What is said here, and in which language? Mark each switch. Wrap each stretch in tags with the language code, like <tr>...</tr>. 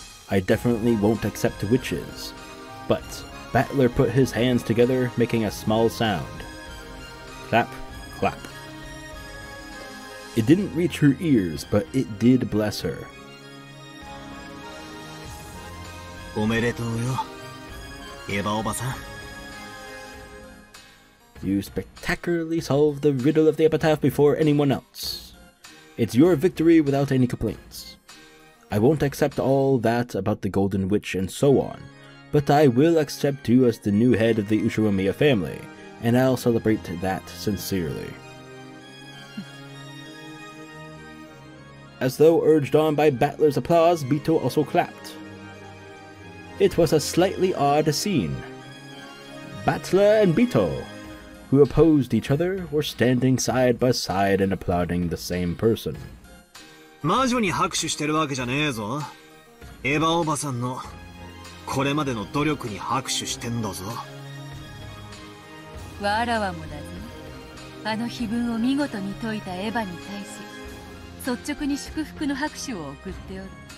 <en>I definitely won't accept witches, but Battler put his hands together, making a small sound. Clap, clap. It didn't reach her ears, but it did bless her.</en> <ja>おめでとうよ、エヴァおばさん。</ja> <en>You spectacularly solved the riddle of the epitaph before anyone else. It's your victory without any complaints. I won't accept all that about the Golden Witch and so on, but I will accept you as the new head of the Ushiromiya family, and I'll celebrate that sincerely. As though urged on by Battler's applause, Beto also clapped. It was a slightly odd scene. Battler and Beto, who opposed each other, were standing side by side and applauding the same person.</en> <ja>魔女に拍手してるわけじゃねえぞ。エヴァおばさんのこれまでの努力に拍手してんだぞ。わらわもだぞ。あの碑文を見事に解いたエヴァに対し、率直に祝福の拍手を送っておる。</ja>